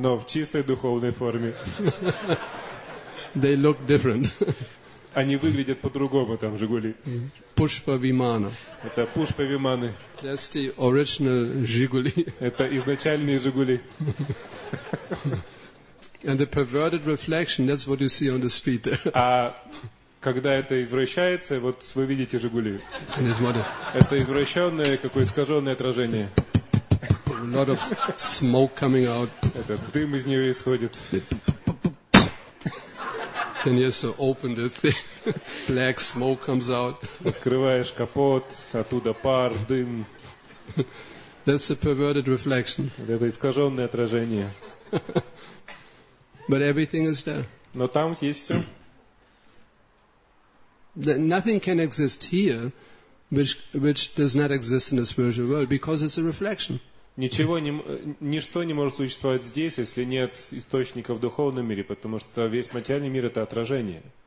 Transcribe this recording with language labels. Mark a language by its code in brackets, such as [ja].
[ru] Но в чистой духовной форме. [en] They look different. [ru] Они выглядят по-другому, там, Жигули. Пушпа Вимана. Это Пушпа Виманы. [en] That's the original Жигули. [ru] Это изначальные Жигули. [en] And the perverted reflection, that's what you see on the street there. [ru] А когда это извращается, вот вы видите Жигули. Это извращенное, какое искаженное отражение. [en] A lot of smoke coming out. [ru] Это дым из нее исходит. [en] And you so open the thing, black smoke comes out. [ru] Открываешь капот, оттуда пар, дым. [en] That's a perverted reflection. [ru] Это искаженное отражение. [en] But everything is there. [ru] Но там есть все. [en] Nothing can exist here, which does not exist in the spiritual world, because it's a reflection. [ru] Ничего не, ничто не может существовать здесь, если нет источника в духовном мире, потому что весь материальный мир — это отражение.